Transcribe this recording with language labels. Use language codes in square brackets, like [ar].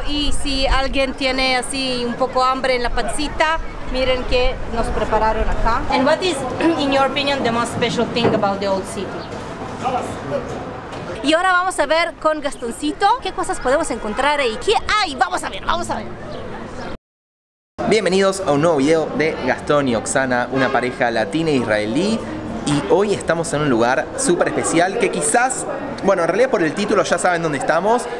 [es] y si alguien tiene así un poco hambre en la pancita, miren qué nos prepararon acá. [en] And what is, in your opinion, the most special thing about the old city? [es] Y ahora vamos a ver con Gastoncito qué cosas podemos encontrar ahí. ¿Qué hay? Vamos a ver, vamos a ver. Bienvenidos a un nuevo video de Gastón y Oxana, una pareja latina e israelí. Y hoy estamos en un lugar súper especial que quizás, bueno, en realidad por el título ya saben dónde estamos.